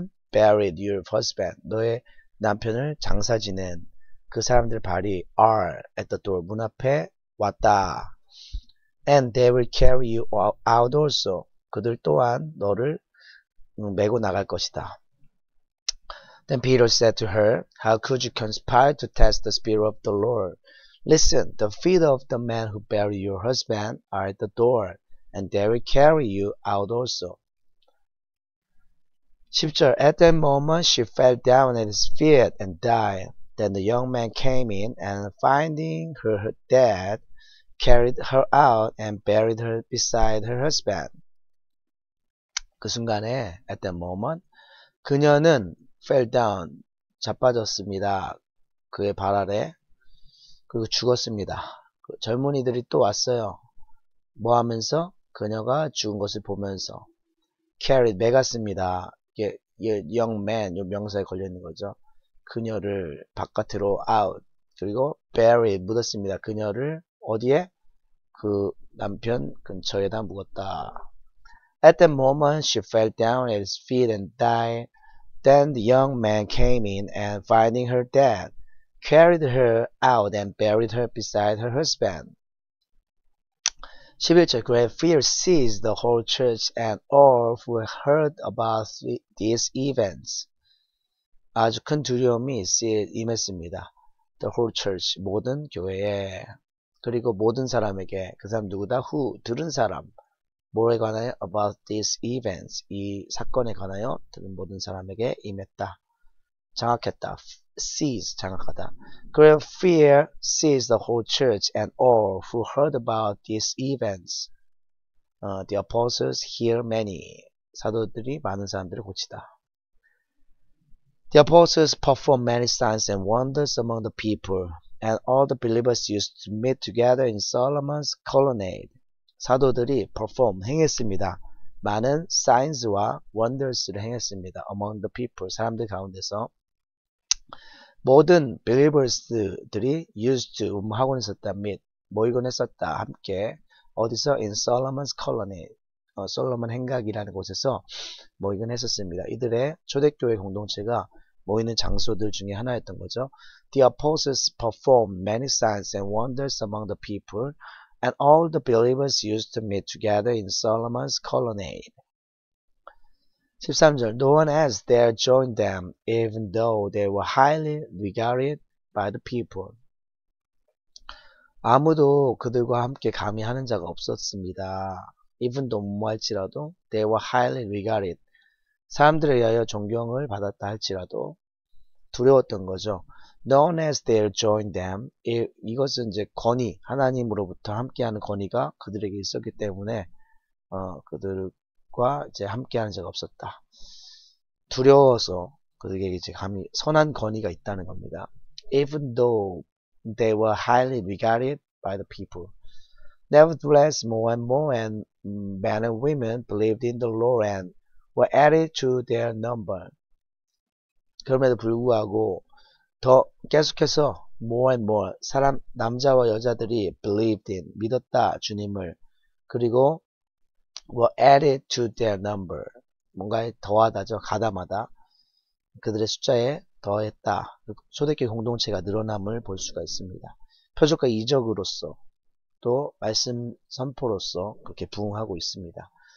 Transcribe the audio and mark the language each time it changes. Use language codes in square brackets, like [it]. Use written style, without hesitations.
[en] buried your husband, [ko] 너의 남편을 장사 지낸 그 사람들의 발이 [en] are at the door, [ko] 문 앞에 왔다. [en] And they will carry you out also. [ko] 그들 또한 너를 메고 나갈 것이다. [en] Then Peter said to her, How could you conspire to test the spirit of the Lord? Listen, the feet of the man who buried your husband are at the door, and they will carry you out also. 10절, At that moment she fell down at his feet and died. Then the young man came in and finding her dead, carried her out and buried her beside her husband. [ko] 그 순간에, [en] at that moment, [ko] 그녀는 [en] fell down, [ko] 자빠졌습니다. 그의 발 아래, 그리고 죽었습니다. 그 젊은이들이 또 왔어요. 뭐 하면서? 그녀가 죽은 것을 보면서. carried, 매갔습니다. 이게 [en] young man, [ko] 요 명사에 걸려있는 거죠. 그녀를 바깥으로 out, 그리고 buried, 묻었습니다. 그녀를 어디에? 그 남편 근처에다 묵었다. [en] At that moment, she fell down at his feet and died. Then the young man came in and finding her dead, carried her out and buried her beside her husband. 11절, great fear seized the whole church and all who heard about these events. [ko] 아주 큰 두려움이 임했습니다. [en] The whole church, [ko] 모든 교회에. 그리고 모든 사람에게 그 사람 누구다? Who 들은 사람 뭐에 관하여? [en] About these events [ko] 이 사건에 관하여 들은 모든 사람에게 임했다. 장악했다. Seize 장악하다. [en] Great fear seized the whole church and all who heard about these events. The apostles healed many. [ko] 사도들이 많은 사람들을 고치다. [en] The apostles performed many signs and wonders among the people, and all the believers used to meet together in Solomon's colonnade. [ko] 사도들이 perform 행했습니다. 많은 signs와 wonders를 행했습니다. [en] Among the people [ko] 사람들 가운데서 모든 believers들이 [en] used to [ko] 하고 있었다. meet 모이곤 했었다. 함께 어디서? [en] In Solomon's colonnade. [ko] 솔로몬 행각이라는 곳에서 모이곤 했었습니다. 이들의 초대교회 공동체가 모이는 장소들 중에 하나였던 거죠. [en] The apostles performed many signs and wonders among the people, and all the believers used to meet together in Solomon's colonnade. 13절, No one else dare join them, even though they were highly regarded by the people. [ko] 아무도 그들과 함께 감히 하는 자가 없었습니다. [en] Even though [ko] 뭐 할지라도, [en] they were highly regarded. [ko] 사람들에 의하여 존경을 받았다 할지라도, 두려웠던 거죠. [en] No one else dare join them. [ko] 이것은 이제 권위, 하나님으로부터 함께하는 권위가 그들에게 있었기 때문에, 그들과 이제 함께하는 자가 없었다. 두려워서 그들에게 이제 감히 선한 권위가 있다는 겁니다. [en] Even though they were highly regarded by the people. Nevertheless, more and more men and women believed in the Lord and were added to their number. [ko] 그럼에도 불구하고 더 계속해서 [en] more and more [ko] 사람 남자와 여자들이 [en] believed in [ko] 믿었다 주님을 그리고 [en] were added to their number [ko] 뭔가에 더하다죠 가담하다 그들의 숫자에 더했다 초대교회 공동체가 늘어남을 볼 수가 있습니다 표적과 이적으로서 또 말씀 선포로서 그렇게 부흥하고 있습니다